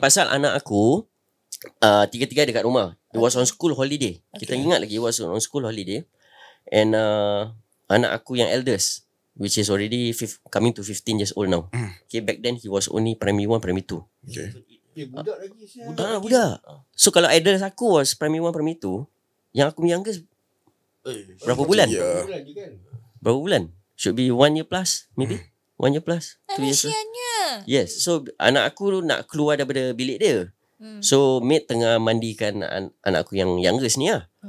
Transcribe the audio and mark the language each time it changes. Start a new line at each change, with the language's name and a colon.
Malay: Pasal anak aku tiga-tiga dekat rumah.
English: It was on school holiday. Okay.
Malay: Kita ingat lagi
English: it was on school holiday. And
Malay: anak aku yang
English: eldest, which is already coming to 15 years old now. Okay, back then he was only primary 1, primary 2. Okay.
Malay: Budak lagi. Budak. So kalau eldest aku
English: was primary 1, primary 2,
Malay: yang aku youngest berapa bulan? Berapa bulan?
English: Should be 1 year plus, maybe? 1 year plus. 2 years.
Malay: Kesiannya.
English: Yes.
Malay: So anak aku nak keluar daripada bilik dia. So mate tengah mandikan anak aku yang youngest ni lah.